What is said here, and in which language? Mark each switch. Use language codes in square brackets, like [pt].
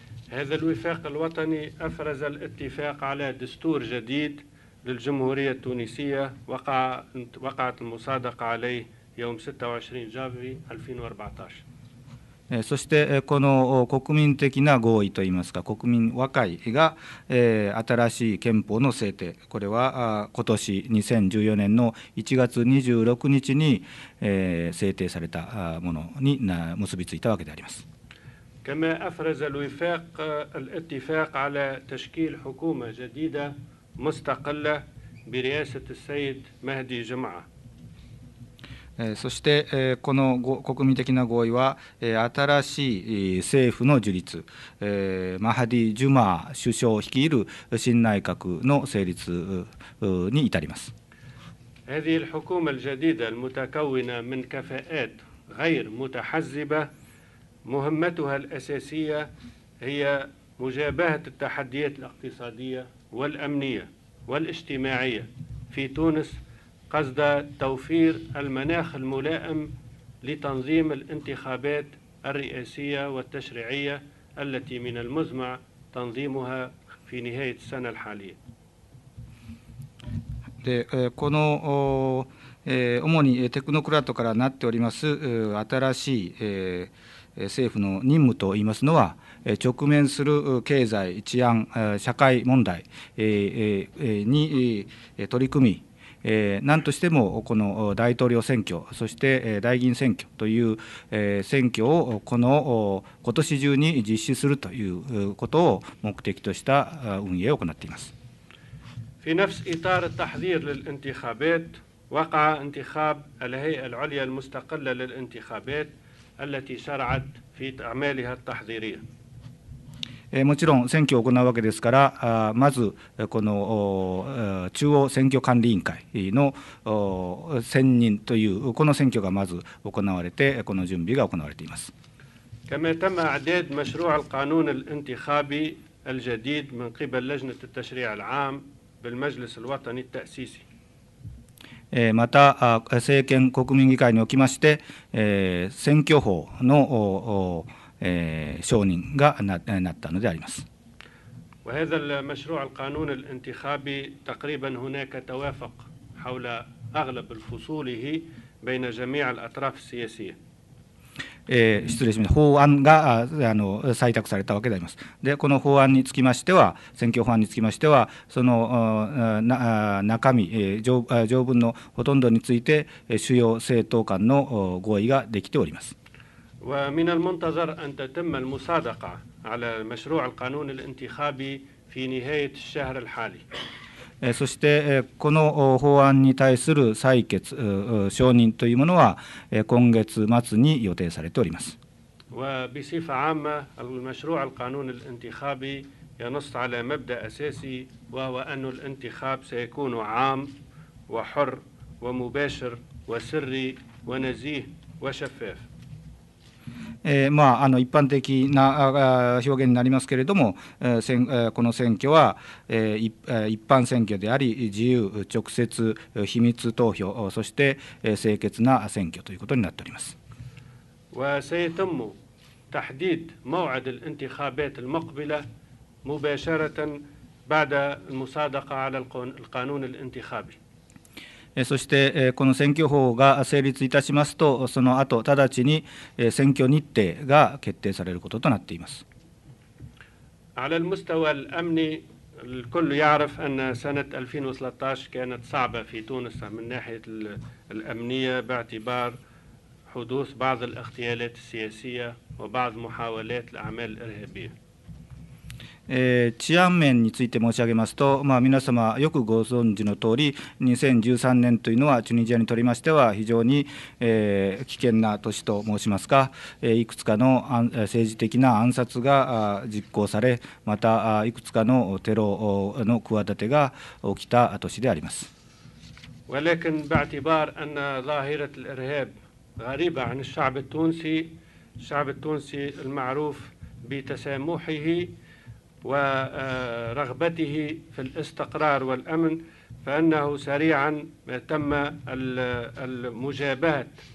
[ar] هذا الوفاق الوطني أفرز الاتفاق على دستور جديد للجمهورية التونسية وقعت المصادقة عليه يوم 26 جانفي 2014。 [ja] そしてこの国民的な合意といいますか、国民和解が新しい憲法の制定、これは今年2014年の1月26日に制定されたものに結びついたわけであります。 [ar] كما أفرز الوفاق الاتفاق على تشكيل حكومة جديدة مستقلة برئاسة السيد مهدي جمعة。 [ja] そしてこの国民的な合意は新しい政府の樹立、マハディ・ジュマー首相率いる新内閣の成立に至ります。 [ar] هذه الحكومة الجديدة المتكونة من كفاءات غير متحزبة مهمتها الأساسية هي مجابهة التحديات الاقتصادية والأمنية والاجتماعية في تونس قصد توفير المناخ الملائم لتنظيم الانتخابات الرئاسية والتشريعية التي من المزمع تنظيمها في نهاية السنة الحالية。 [ja] でこの主にテクノクラトからなっております新しい政府の任務といいますのは、直面する経済、治安、社会問題に取り組み、何としてもこの大統領選挙、そして大議員選挙という選挙をこの今年中に実施するということを目的とした運営を行っています。 [ar] في نفس إطار التحذير للانتخابات وقع انتخاب الهيئة العليا المستقلة للانتخابات التي شرعت في أعمالها التحذيرية。 [ja] もちろん選挙を行うわけですから、まずこの中央選挙管理委員会の選任という、この選挙がまず行われて、この準備が行われています。 [ar] كما تم إعداد مشروع القانون الانتخابي الجديد من قبل لجنة التشريع العام بالمجلس الوطني التأسيسي。 [ja] また政権国民議会におきまして、選挙法の承認がなったのであります。 [ar] وهذا المشروع القانون الانتخابي تقريبا هناك توافق حول أغلب الفصول بين جميع الأطراف السياسية。 [ja] 失礼しました。法案が採択されたわけであります。でこの法案につきましては、選挙法案につきましては、その中身、条文のほとんどについて主要政党間の合意ができております。 [ar] ومن المنتظر أن تتم المصادقة على مشروع القانون الانتخابي في نهاية الشهر الحالي。 [ja] そしてこの法案に対する採決、承認というものは今月末に予定されております。 [ar] وبصفة عامة المشروع القانون الانتخابي ينص على مبدأ أساسي وهو أن الانتخاب سيكون عام وحر ومباشر وسري ونزيه وشفاف。 [ja] 一般的な表現になりますけれども、この選挙は一般選挙であり、自由、直接、秘密投票、そして清潔な選挙ということになっております。 [ar] وسيتم تحديد موعد الانتخابات المقبلة مباشرة بعد المصادقة على القانون الانتخابي。 [ja] そしてこの選挙法が成立いたしますと、その後直ちに選挙日程が決定されることとなっています。 [ar] على المستوى الأمني الكل يعرف أن سنة 2013 كانت صعبة في تونس من ناحية الأمنية باعتبار حدوث بعض الاغتيالات السياسية وبعض محاولات الأعمال الإرهابية。 [ja] 治安面について申し上げますと、まあ、皆様よくご存知の通り、2013年というのはチュニジアにとりましては非常に、危険な年と申しますか、いくつかの政治的な暗殺が実行され、またいくつかのテロの企てが起きた年であります。 [ar] ولكن باعتبار أن ظاهرة الإرهاب غريبة عن الشعب التونسي، الشعب التونسي المعروف بتسامحه ورغبته في الاستقرار والأمن، فإنه سريعا تم المجابهة